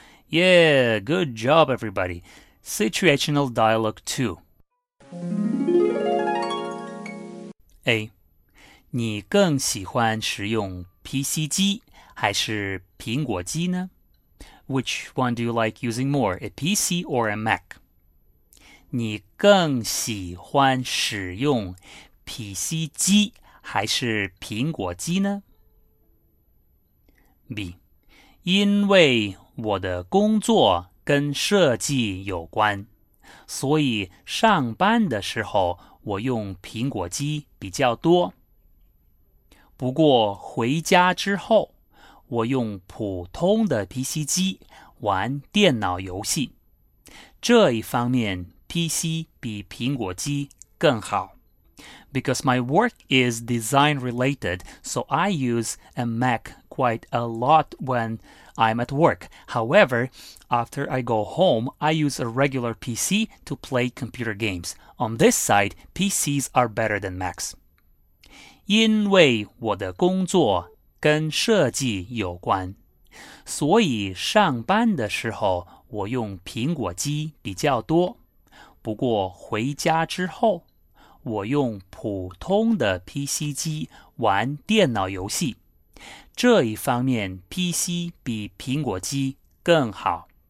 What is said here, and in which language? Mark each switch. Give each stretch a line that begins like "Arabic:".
English: Yeah, good job, everybody. Situational dialogue 2. A.
Chinese: 你更喜欢使用 PC 机还是苹果机呢?
English: Which one do you like using more, a PC or a Mac?
Chinese: 你更喜欢使用 PC 机还是苹果机呢?
English: B.
Chinese: 因为我的工作跟设计有关，所以上班的时候我用苹果机比较多。不过回家之后，我用普通的 PC 机玩电脑游戏，这一方面 PC 比苹果机更好。
English: Because my work is design related, so I use a Mac quite a lot when I'm at work. However, after I go home, I use a regular PC to play computer games. On this side, PCs are better than Macs.
Chinese: 因为我的工作跟设计有关，所以上班的时候我用苹果机比较多。不过回家之后，我用普通的 PC 机玩电脑游戏，这一方面 PC 比苹果机更好。